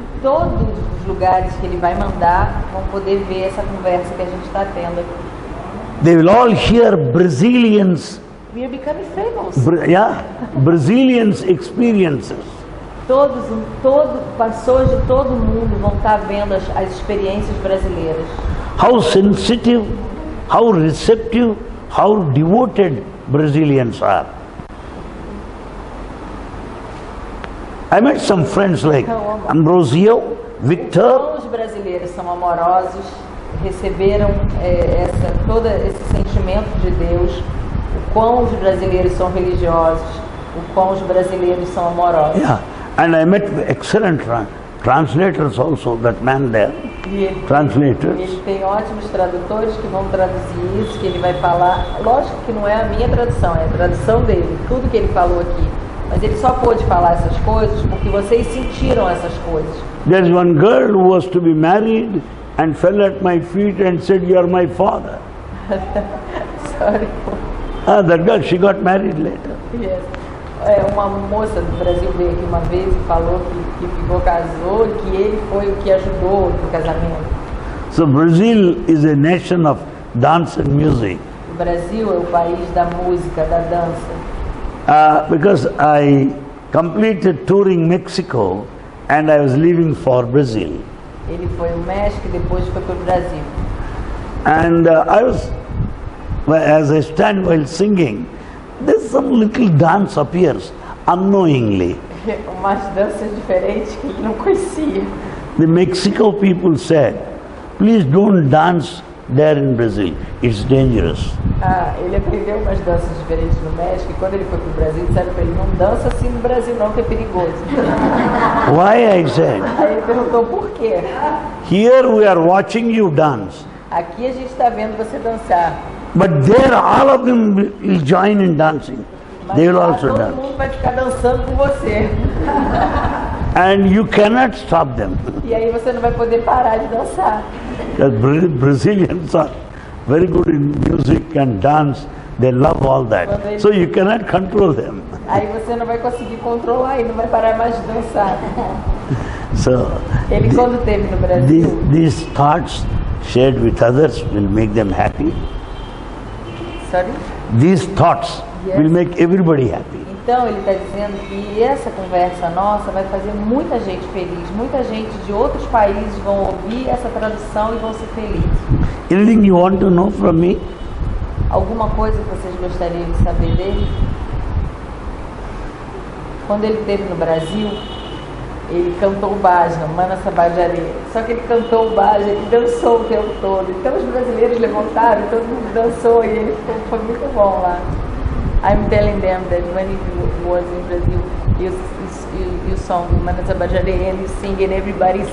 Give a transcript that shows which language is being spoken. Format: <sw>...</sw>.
<pt>Todos os lugares que ele vai mandar vão poder ver essa conversa que a gente está tendo aqui.</pt> <en>They will all hear Brazilians. We are becoming famous. Brazilians experiences.</en> <pt>Todos, pessoas de todo mundo vão estar vendo as experiências brasileiras.</pt> <en>How sensitive, how receptive, how devoted Brazilians are. I met some friends like Ambrosio, Victor.</en> <pt>Todos os brasileiros são amorosos, receberam todo esse sentimento de Deus. O quão os brasileiros são religiosos, o quão os brasileiros são amorosos.</pt> <en>Yeah, and I met excellent translators also, that man there. Translators.</en> <pt>Ele tem ótimos tradutores que vão traduzir isso, que ele vai falar. Lógico que não é a minha tradução, é a tradução dele, tudo que ele falou aqui. Mas ele só pôde falar essas coisas porque vocês sentiram essas coisas.</pt> <en>There's one girl who was to be married and fell at my feet and said, "You are my father." Sorry. Ah, that girl, she got married later. Yes.</en> <pt>Uma moça do Brasil veio aqui uma vez e falou que ficou casou e que ele foi o que ajudou no casamento.</pt> <en>So Brazil is a nation of dance and music.</en> <pt>O Brasil é o país da música, da dança.</pt> <en>Because I completed touring Mexico and I was leaving for Brazil.</en> <pt>Ele foi ao México e depois foi para o Brasil.</pt> <en>And I was. As I stand while singing, there's some little dance appears unknowingly.</en> <pt>Umas danças diferentes que ele não conhecia.</pt> <en>The Mexico people said, "Please don't dance there in Brazil. It's dangerous."</en> <pt>Ah, ele aprendeu umas danças diferentes no México e quando ele foi para o Brasil, disseram para ele, "Não dança assim no Brasil, não, que é perigoso."</pt> <en>Why, I said?</en> <pt>Aí ele perguntou por quê.</pt> <en>Here we are watching you dance.</en> <pt>Aqui a gente está vendo você dançar.</pt> <en>But there, all of them will join in dancing. They will also dance.</en> <pt>Todo mundo vai ficar dançando com você.</pt> <en>And you cannot stop them.</en> <pt>E aí você não vai poder parar de dançar.</pt> <en>Because Brazilians are very good in music and dance. They love all that. So you cannot control them.</en> <pt>Aí você não vai conseguir controlar e não vai parar mais de dançar.</pt> <en>So.</en> <pt>Ele quando teve no Brasil.</pt> <en>These thoughts shared with others will make them happy. Sorry? These thoughts will make everybody happy.</en> <pt>Então ele está dizendo que essa conversa nossa vai fazer muita gente feliz. Muita gente de outros países vão ouvir essa tradução e vão ser felizes. Anything you want to know from me? Alguma coisa que vocês gostariam de saber dele? Quando ele esteve no Brasil, ele cantou o Bajna, Mana Sabajare. Só que ele cantou o Bajna e dançou o tempo todo. Então os brasileiros levantaram, todo mundo dançou e ele ficou, foi muito bom lá.</pt> <en>I'm telling them that when he was in Brazil, you song Mana Sabajare and you sing and everybody sing.</en>